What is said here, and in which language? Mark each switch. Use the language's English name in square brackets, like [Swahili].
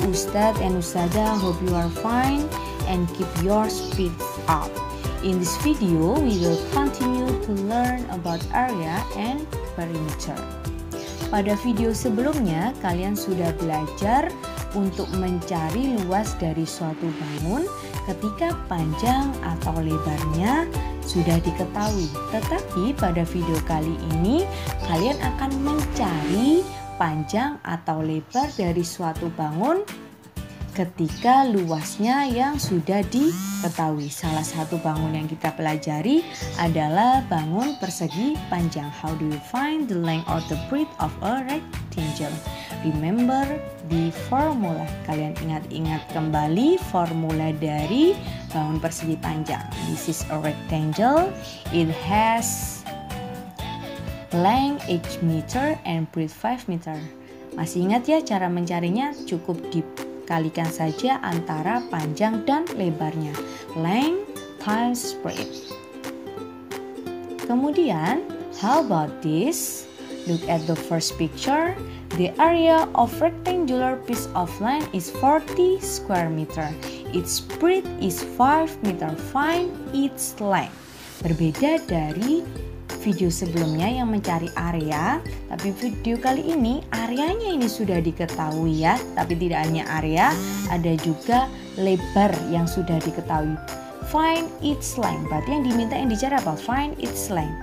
[English] Ustadz and Ustada, hope you are fine and keep your spirits up. In this video, we will continue to learn about area and perimeter. [Indonesian] Pada video sebelumnya, kalian sudah belajar untuk mencari luas dari suatu bangun ketika panjang atau lebarnya sudah diketahui. Tetapi pada video kali ini, kalian akan mencari panjang atau lebar dari suatu bangun ketika luasnya yang sudah diketahui. Salah satu bangun yang kita pelajari adalah bangun persegi panjang. [English] How do you find the length or the breadth of a rectangle? Remember the formula. [Indonesian] Kalian ingat-ingat kembali formula dari bangun persegi panjang. [English] This is a rectangle. It has length 8 meter and breadth 5 meter. [Indonesian] Masih ingat ya cara mencarinya? Cukup dikalikan saja antara panjang dan lebarnya. [English] Length times breadth. [Indonesian] Kemudian, [English] how about this? Look at the first picture. The area of rectangular piece of land is 40 square meter. Its breadth is 5 meter. Find its length. [Indonesian] Berbeda dari video sebelumnya yang mencari area, tapi video kali ini areanya ini sudah diketahui ya. Tapi tidak hanya area, ada juga lebar yang sudah diketahui. [English] Find its length. [Indonesian] Berarti yang diminta yang dicari apa? Find its length.